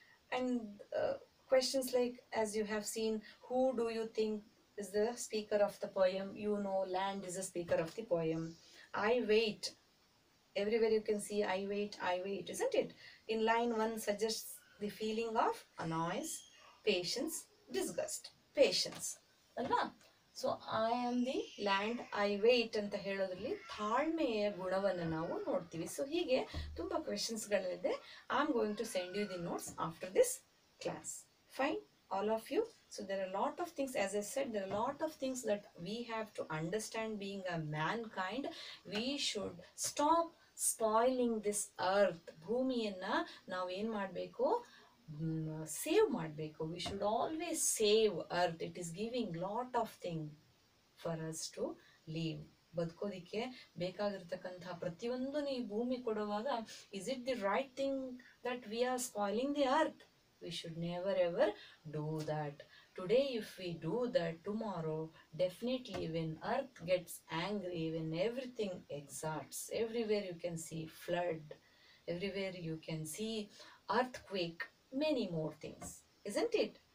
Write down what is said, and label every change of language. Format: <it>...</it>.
<en>And questions like, as you have seen, who do you think is the speaker of the poem? You know, land is a speaker of the poem. I wait, everywhere you can see I wait, I wait, isn't it? In line one suggests the feeling of annoyance, patience, disgust, patience,</en> <kn>alva.</kn> <en>so I am the land, I wait</en> <kn>ಅಂತ ಹೇಳೋದ್ರಲ್ಲಿ ತಾಳ್ಮೆಯ ಗುಣವನ್ನು ನಾವು ನೋಡ್ತೀವಿ. So ಹೀಗೆ ತುಂಬ ಕ್ವೆಶನ್ಸ್ಗಳಿದೆ.</kn> <en>I am going to send you the notes after this class. Fine all of you. So there are lot of things, as I said, there are lot of things that we have to understand being a mankind. We should stop spoiling this earth.</en> <kn>ಭೂಮಿಯನ್ನು ನಾವು ಏನು ಮಾಡಬೇಕು, save ಮಾಡಬೇಕು.</kn> <en>We should always save earth. It is giving lot of thing for us to live.</en> <kn>ಬದುಕೋದಿಕ್ಕೆ ಬೇಕಾಗಿರ್ತಕ್ಕಂತಹ ಪ್ರತಿಯೊಂದು ನೀವು ಭೂಮಿ ಕೊಡುವಾಗ,</kn> <en>Is it the right thing that we are spoiling the earth? We should never ever do that. Today, if we do that, tomorrow, definitely when earth gets angry, when everything exerts, everywhere you can see flood, everywhere you can see earthquake, many more things, isn't it?</en>